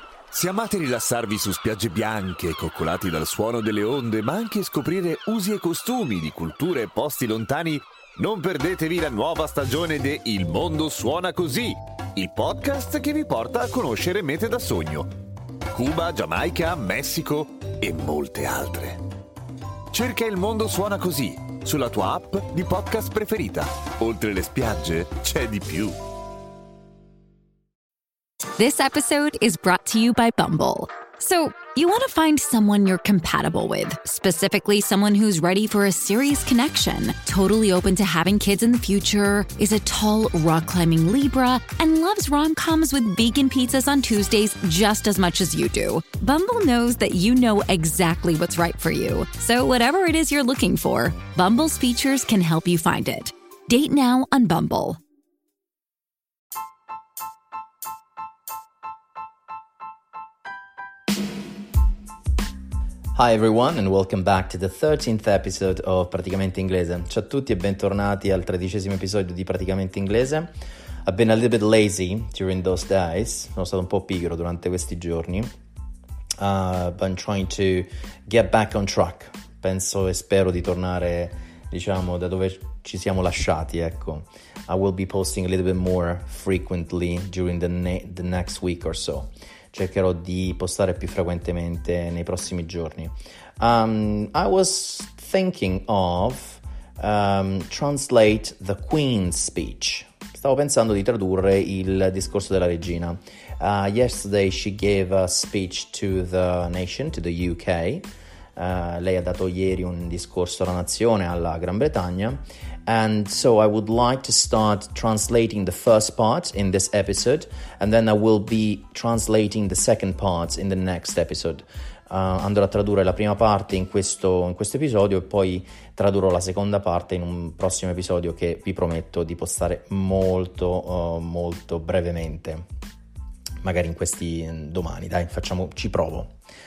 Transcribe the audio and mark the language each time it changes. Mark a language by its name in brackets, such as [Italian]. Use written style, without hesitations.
[Italian] Se amate rilassarvi su spiagge bianche, coccolati dal suono delle onde, ma anche scoprire usi e costumi di culture e posti lontani, non perdetevi la nuova stagione di Il Mondo Suona Così, il podcast che vi porta a conoscere mete da sogno. Cuba, Giamaica, Messico e molte altre. Cerca Il Mondo Suona Così sulla tua app di podcast preferita. Oltre le spiagge, c'è di più. [English] This episode is brought to you by Bumble. So, you want to find someone you're compatible with, specifically someone who's ready for a serious connection, totally open to having kids in the future, is a tall, rock-climbing Libra, and loves rom-coms with vegan pizzas on Tuesdays just as much as you do. Bumble knows that you know exactly what's right for you. So, whatever it is you're looking for, Bumble's features can help you find it. Date now on Bumble. Hi everyone and welcome back to the 13th episode of Praticamente Inglese. [Italian] Ciao a tutti e bentornati al 13esimo episodio di Praticamente Inglese. [English] I've been a little bit lazy during those days. [Italian] Sono stato un po' pigro durante questi giorni. [English] I'm trying to get back on track. [Italian] Penso e spero di tornare, diciamo, da dove ci siamo lasciati, ecco. [English] I will be posting a little bit more frequently during the next week or so. [Italian] Cercherò di postare più frequentemente nei prossimi giorni. [English] I was thinking of translate the Queen's speech. [Italian] Stavo pensando di tradurre il discorso della regina. [English] Yesterday she gave a speech to the nation, to the UK. [Italian] Lei ha dato ieri un discorso alla nazione, alla Gran Bretagna. [English] And so I would like to start translating the first part in this episode, and then I will be translating the second part in the next episode. [Italian] Andrò a tradurre la prima parte in questo episodio e poi tradurrò la seconda parte in un prossimo episodio che vi prometto di postare molto molto brevemente, magari in questi domani, dai, facciamo, ci provo.